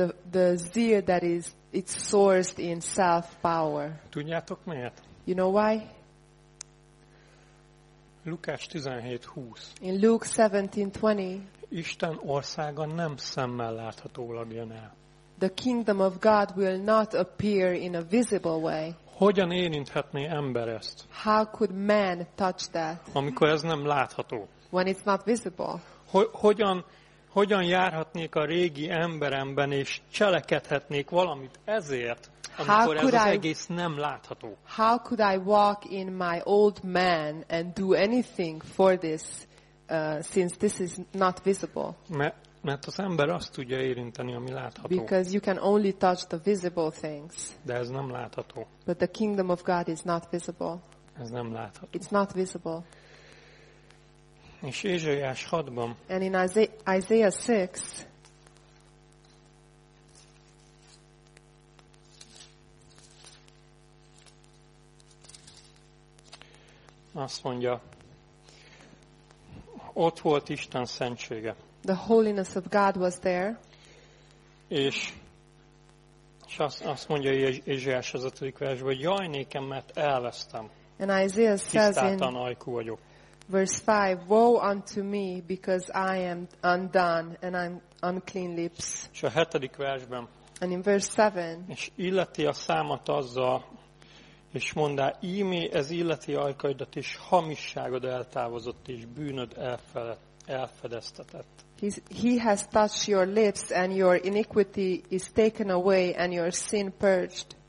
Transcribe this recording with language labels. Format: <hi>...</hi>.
<en>The zeal that is it's sourced in self power.</en> <hu>Tudjátok miért?</hu> <en>You know why?</en> <hu>Lukács 17:20.</hu> <en>In Luke 17:20.</en> <hu>Isten országa nem szemmel láthatólag jön el.</hu> <en>The kingdom of God will not appear in a visible way.</en> <hu>Hogyan érinthetné ember ezt?</hu> <en>How could man touch that?</en> <hu>Amikor ez nem látható.</hu> <en>When it's not visible.</en> <hu>Hogyan járhatnék a régi emberemben és cselekedhetnék valamit ezért, amikor ez az egész nem látható?</hu> <en>How could I walk in my old man and do anything for this since this is not visible?</en> <hu>Mert az ember azt tudja érinteni, ami látható.</hu> <en>Because you can only touch the visible things.</en> <hu>De ez nem látható.</hu> <en>But the kingdom of God is not visible.</en> <hu>Ez nem látható.</hu> <en>It's not visible.</en> <hu>És Ézsaiás 6-ban.</hu> <en>And in Isaiah 6.</en> <hu>Azt mondja, ott volt Isten szentsége.</hu> <en>The holiness of God was there.</en> <hu>És azt mondja Ézsaiás az 5. versben, hogy jaj nékem, mert elvesztem.</hu> <en>And Isaiah says in</en> <hu>ajkú vagyok.</hu> <en>Verse 5, woe unto me, because I am undone, and I'm unclean lips.</en> <hu>És a 7. versben.</hu> <en>And in verse 7.</en> <hu>És illeti a számat azzal, és mondá, ímé ez illeti ajkaidat, és hamisságod eltávozott, és bűnöd elfedeztetett.</hu> <en>He has touched your lips, and your iniquity is taken away, and your sin purged.</en>